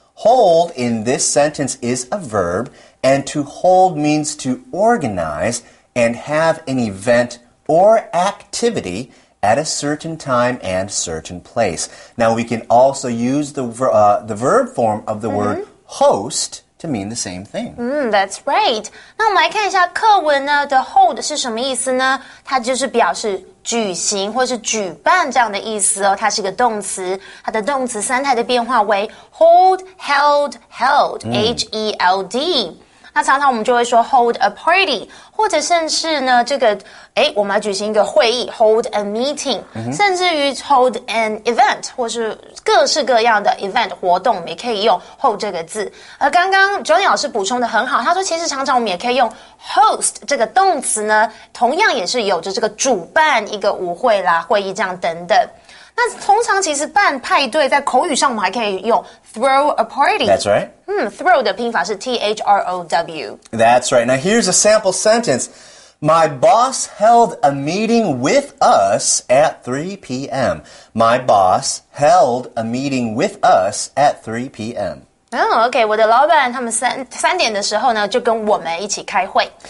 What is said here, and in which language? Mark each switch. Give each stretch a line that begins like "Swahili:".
English: Hold in this sentence is a verb, and to hold means to organize and have an event or activityAt a certain time and certain place. Now, we can also use the verb form of the word host to mean the same thing. That's right.
Chinese: 那我们来看一下课文呢的 hold 是什么意思呢它就是表示举行或是举办这样的意思哦。它是一个动词。它的动词三态的变化为 hold, held, held,、H-E-L-D. 那常常我们就会说
English: hold a party,
Chinese: 或者甚至呢这个诶我们要举行一个会议
English: hold a meeting,、
Chinese: 甚至于
English: hold an event,
Chinese: 或是各式各样的 event 活动我们也可以用 hold 这个字。而刚刚 Johnny 老师补充的很好他说其实常常我们也可以用 host 这个动词呢同样也是有着这个主办一个舞会啦会议这样等等。那通常其实办派对在口语上我们还可以用
English: throw a party. That's right.
Chinese: Throw 的拼法是 T-H-R-O-W.
English: That's right. Now here's a sample sentence. My boss held a meeting with us at 3 p.m. My boss held a meeting with us at 3 p.m. Oh, okay.
Chinese: 我的老板他们三点的时候呢就跟我们一起开会。